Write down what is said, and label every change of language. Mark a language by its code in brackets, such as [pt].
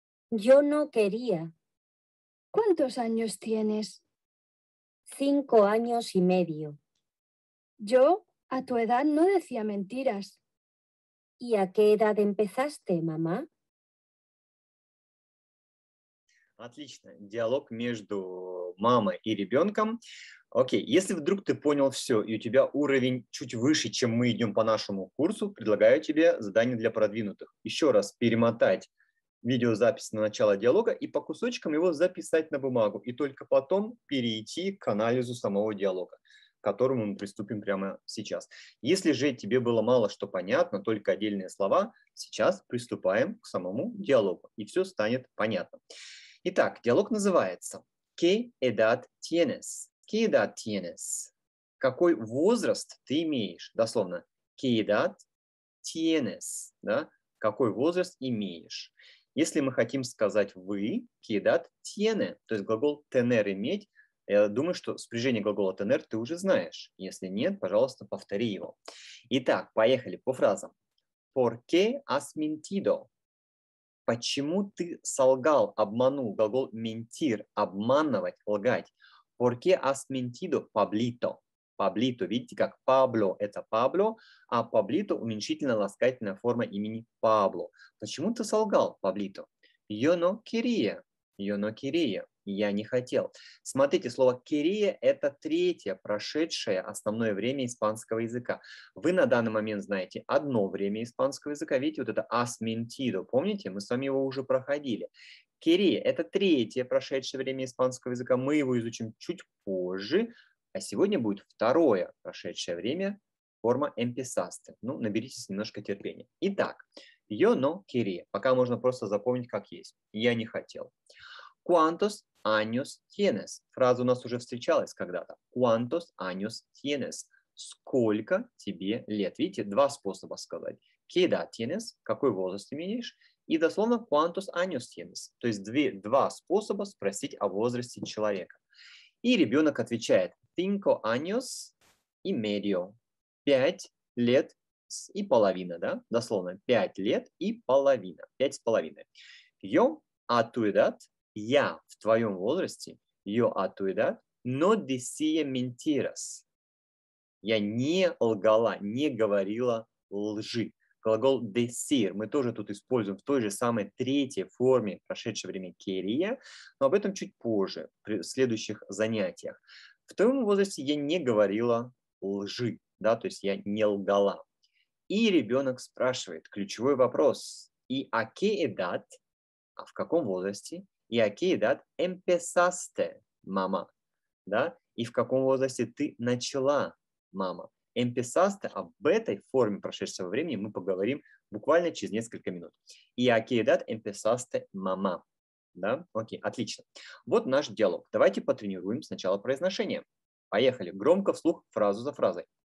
[es] Yo no quería. ¿Cuántos años tienes? 5 años y medio. Yo, a tu edad, no decía mentiras. ¿Y a qué edad empezaste, mamá? [ru] Отлично. Диалог между мамой и ребенком. Окей, если вдруг ты понял все, и у тебя уровень чуть выше, чем мы идем по нашему курсу, предлагаю тебе задание для продвинутых. Еще раз перемотать видеозапись на начало диалога и по кусочкам его записать на бумагу, и только потом перейти к анализу самого диалога, к которому мы приступим прямо сейчас. Если же тебе было мало что понятно, только отдельные слова, сейчас приступаем к самому диалогу, и все станет понятно. Итак, диалог называется [es] «¿Qué edad tienes?». ¿Qué edad tienes? [ru] Какой возраст ты имеешь? Дословно, [es] ¿qué edad tienes? [ru] Да? Какой возраст имеешь? Если мы хотим сказать «вы», [es] ¿qué edad tiene?», [ru] то есть глагол «tener» – «иметь», Я думаю, что спряжение глагола tener ты уже знаешь. Если нет, пожалуйста, повтори его. Итак, поехали по фразам. [es] ¿Por qué has mentido? [ru] Почему ты солгал, обманул? Глагол mentir, обманывать, лгать. [es] ¿Por qué has mentido, Pablito? [ru] Pablito, видите, как Pablo – это Pablo, а Pablito – уменьшительная ласкательная форма имени Pablo. Почему ты солгал, Pablito? [es] Yo no quería. Yo no quería. [ru] Я не хотел. Смотрите, слово quería – это третье, прошедшее основное время испанского языка. Вы на данный момент знаете одно время испанского языка. Видите, вот это [es] has mentido. [ru] Помните, мы с вами его уже проходили. Quería – это третье прошедшее время испанского языка. Мы его изучим чуть позже. А сегодня будет второе прошедшее время, форма empezaste. Ну, наберитесь немножко терпения. [es] Итак, yo no quería. [ru] Пока можно просто запомнить, как есть. Я не хотел. [es] ¿Cuántos años tienes? [ru] Фраза у нас уже встречалась когда-то. [es] ¿Cuántos años tienes? [ru] Сколько тебе лет? Видите, два способа сказать. [es] ¿Qué edad tienes? [ru] Какой возраст имеешь? И дословно [es] ¿Cuántos años tienes? [ru] То есть два способа спросить о возрасте человека. И ребенок отвечает. [es] Cinco años y medio. [ru] Пять лет и половина, да? Дословно, пять лет и половина. Пять с половиной. [es] Yo a tu edad, [ru] я в твоем возрасте, [es] yo a tu edad, no decía mentiras. [ru] Я не лгала, не говорила лжи. Глагол decir мы тоже тут используем в той же самой третьей форме прошедшего времени quería, но об этом чуть позже, в следующих занятиях. В твоем возрасте я не говорила лжи, да, то есть я не лгала. И ребенок спрашивает, ключевой вопрос, и [es] a qué edad, [ru] а в каком возрасте, и [es] a qué edad empezaste, [ru] мама, да, и в каком возрасте ты начала, мама. Empezaste, об этой форме прошедшего времени мы поговорим буквально через несколько минут. [es] И a qué edad empezaste, мама. [ru] Да? Окей, отлично. Вот наш диалог. Давайте потренируем сначала произношение. Поехали. Громко вслух фразу за фразой.